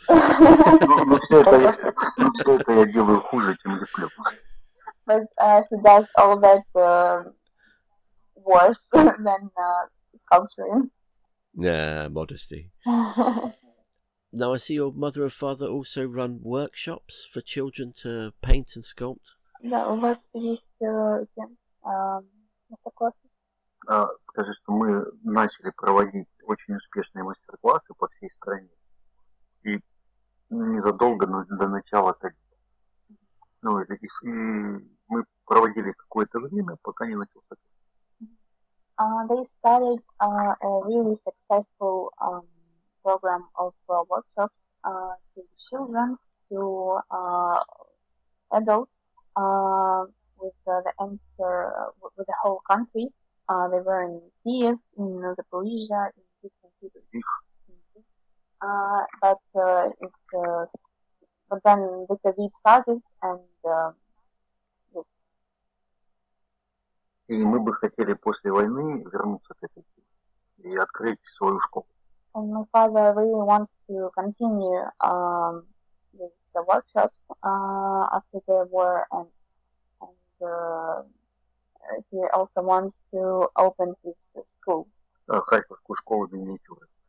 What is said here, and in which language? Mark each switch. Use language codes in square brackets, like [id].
[en] But he does all that worse than sculpturing. Yeah, modesty. Now I see your mother and father also run workshops for children to paint and sculpt. [ru] Yeah, у вас есть мастер-классы? Скажи, что мы начали проводить очень успешные мастер-классы по всей стране. И незадолго, но до начала мы проводили какое-то время, пока не начался. [en] They started a really successful program of workshops to the children, to adults, with the whole country. They were in Kiev, in Zaporizhia, in different cities. But then the COVID started and. [ru] И мы бы хотели после войны вернуться к этой теме и открыть свою школу. [en] And my father really wants to continue with the workshops after the war and he also wants to open his school. [ru] Харьковскую школу миниатюры.